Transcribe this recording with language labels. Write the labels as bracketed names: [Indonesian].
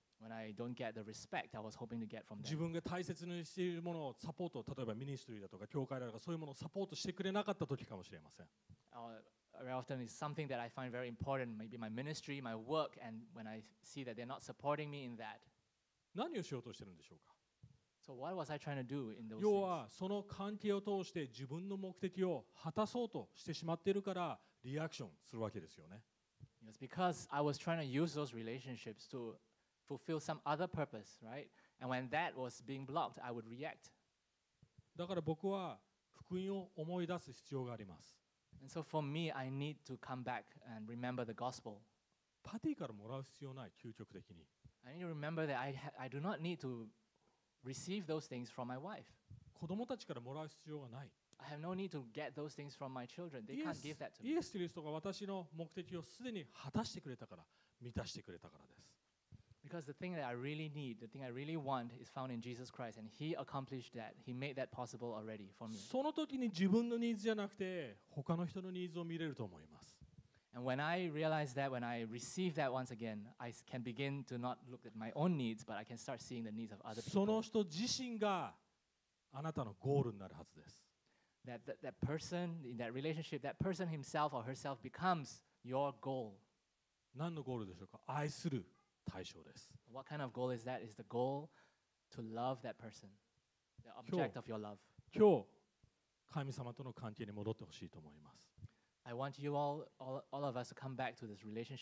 [English] When I don't get the respect I was hoping to get from them. [Japanese] 自分が大切にしているものをサポート、例えばミニストリーだとか教会だとかそういうものをサポートしてくれなかった時かもしれません。 [English] Very often it's something that I find very important, maybe my ministry, my work, and when I see that they're not supporting me in that. [Japanese] 何をしようとしてるんでしょうか。 [English] So what was I trying to do in those? [Japanese] 要はその関係を通して自分の目的を果たそうとしてしまっているからリアクションするわけですよね。 [English] It's because I was trying to use those relationships to. Fulfill some other purpose, right? And when that was being blocked, I would react. [Japanese] だから僕は福音を思い出す必要があります。 [English] And so for me, I need to come back and remember the gospel. [Japanese] パティからもらう必要ない、究極的に。 [English] I need to remember that I do not need to receive those things from my wife. [Japanese] 子供たちからもらう必要がない。 [English] I have no need to get those things from my children. They can't give that to me. [Japanese] イエス・キリストが私の目的をすでに果たしてくれたから、満たしてくれたからです。 [English] Because the thing that I really need, the thing I really want is found in Jesus Christ and he accomplished that. He made that possible already for me. [Japanese] その時に自分のニーズじゃなくて他の人のニーズを見れると思います。 [English] And when I realize that, when I receive that once again, I can begin to not look at my own needs, but I can start seeing the needs of other people. [Japanese] その人自身があなたのゴールになるはずです。 [English] That person, in that relationship, that person himself or herself becomes your goal. [Japanese] 何のゴールでしょうか？愛する。対象です。 [English] What kind of goal is that? Is the goal to love that person, the object of your love. [Japanese] 今日、神様との関係に戻ってほしいと思います。 [English] I want you all of us to come back to this relationship.